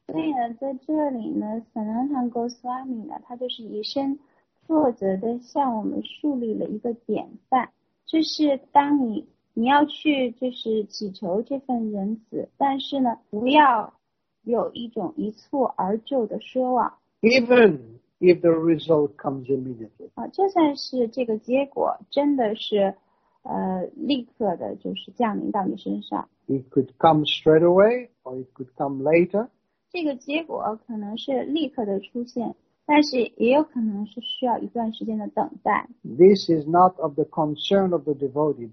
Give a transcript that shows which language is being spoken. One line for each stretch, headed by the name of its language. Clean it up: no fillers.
Chinese: 所以呢，在这里呢 ，Sanatan Goswami 呢，他就是以身作则的向我们树立了一个典范，就是当你要去就是祈求这份仁慈，但是呢，不要有一种一蹴而就的奢望。
English: Even if the result comes immediately.
Chinese: 就算是这个结果真的是。立刻的就是降临到你身上。
English: It could come straight away, or it could come later.
Chinese: 这个结果可能是立刻的出现，但是也有可能是需要一段时间的等待。
English: This is not of the concern of the devotee.